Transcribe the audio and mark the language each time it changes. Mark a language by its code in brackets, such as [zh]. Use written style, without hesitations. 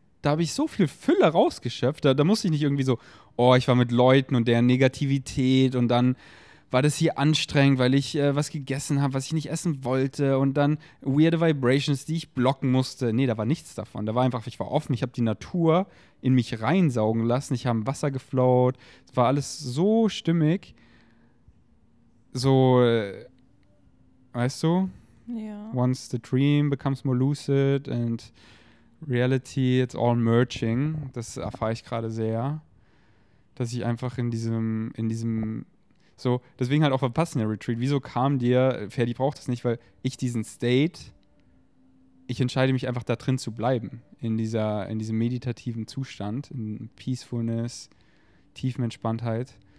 [de] Da habe ich so viel Fülle rausgeschöpft, da musste ich nicht irgendwie so, oh, ich war mit Leuten und deren Negativität und dann war das hier anstrengend, weil ich was gegessen habe, was ich nicht essen wollte und dann weirde Vibrations, die ich blocken musste. Nee, da war nichts davon, da war einfach, ich war offen, ich habe die Natur in mich reinsaugen lassen, ich habe Wasser geflowt, es war alles so stimmig, so weißt du? Ja. [en] Once the dream becomes more lucid and reality, it's all merging. [de] Das erfahre ich gerade sehr. Dass ich einfach in diesem so, deswegen halt auch verpassen der Retreat. Wieso kam dir, Ferdi braucht das nicht, weil ich diesen State, ich entscheide mich einfach da drin zu bleiben, in diesem meditativen Zustand, in Peacefulness, Tiefenentspanntheit.